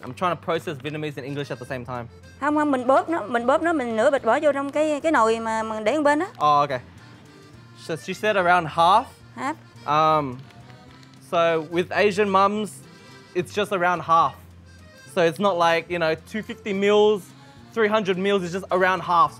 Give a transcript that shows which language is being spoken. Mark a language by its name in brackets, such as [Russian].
[English] I'm trying to process Vietnamese and English at the same time. [Vietnamese] Không, mình bóp nó, mình nửa bịch bỏ vô trong cái nồi mà mình để bên đó. [English] Oh, okay. So she said around half. Half. So with Asian mums, it's just around half. So it's not like, you know, 250 mils, 300 mils, it's just around half.